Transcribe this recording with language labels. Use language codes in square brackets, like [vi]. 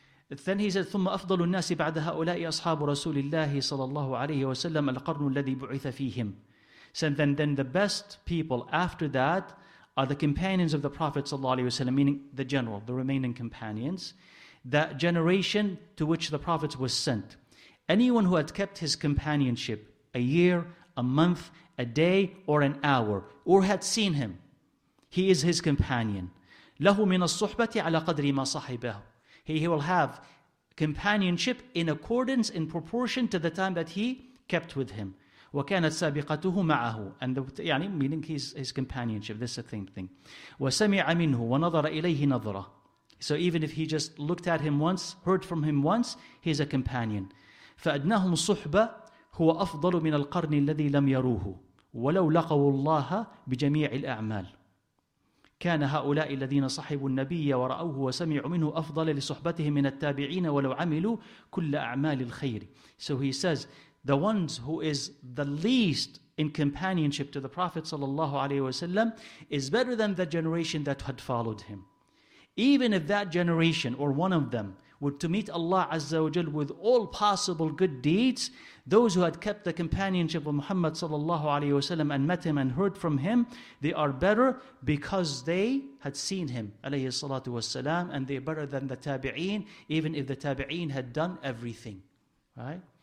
[en] Then he said, [ar] ثم أفضل الناس بعد هؤلاء أصحاب رسول الله صلى الله عليه وسلم القرن الذي بعث فيهم. [en] So then the best people after that are the companions of the Prophet صلى الله عليه وسلم, meaning the general, the remaining companions, that generation to which the Prophet was sent. Anyone who had kept his companionship a year, a month, a day, or an hour, or had seen him, he is his companion. [ar] لَهُ مِنَ الصُّحْبَةِ عَلَىٰ قَدْرِ مَا صَحِبَهُ. [en] He will have companionship in accordance, in proportion to the time that he kept with him. [ar] وَكَانَتْ سَابِقَتُهُ مَعَهُ. [en] And يعني meaning his companionship, this is the same thing. [ar] وَسَمِعَ مِنْهُ وَنَظَرَ إِلَيْهِ نَظْرَ. [en] So even if he just looked at him once, heard from him once, he's a companion. [ar] فَأَدْنَاهُمْ صُحْبَةً هُوَ أَفْضَلُ مِنَ الْقَرْنِ الَّذِي لَمْ يَرُوهُ وَلَوْ لَقَوُا اللَّهَ بِجَمِيعِ الْأَعْمَالِ. كان هؤلاء الذين صحبوا النبي ورأوه وسمعوا منه أفضل لصحبتهم من التابعين ولو عملوا كل أعمال الخير. [en] So he says, the ones who is the least in companionship to the Prophet صلى الله عليه وسلم is better than the generation that had followed him. Even if that generation or one of them were to meet Allah عز وجل with all possible good deeds, those who had kept the companionship of Muhammad sallallahu alayhi wasallam and met him and heard from him, they are better because they had seen him alayhi salatu wasalam, and they're better than the tabi'een, even if the tabi'een had done everything, right?